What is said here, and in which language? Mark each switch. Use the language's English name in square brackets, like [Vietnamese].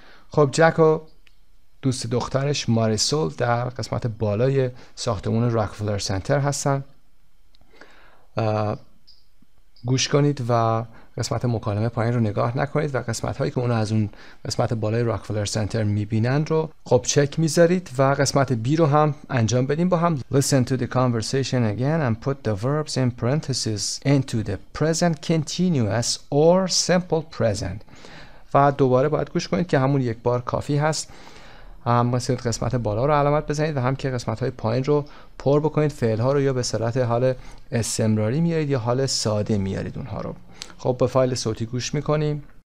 [Persian] خب جک و دوست دخترش ماریسول در قسمت بالای ساختمان راکفلر سنتر هستن. گوش کنید و قسمت مکالمه پایین رو نگاه نکنید و قسمت هایی که اونا از اون قسمت بالای راکفلر سنتر میبینن رو خب چک میذارید و قسمت بی رو هم انجام بدیم با هم. [English] Listen to the conversation again and put the verbs in parentheses into the present continuous or simple present. [Persian] و دوباره باید گوش کنید که همون یک بار کافی هست. هم مثل قسمت بالا رو علامت بزنید و هم که قسمت های پایین رو پر بکنید. فعل ها رو یا به صورت حال استمراری میارید یا حال ساده میارید اونها رو. خب به فایل صوتی گوش میکنیم.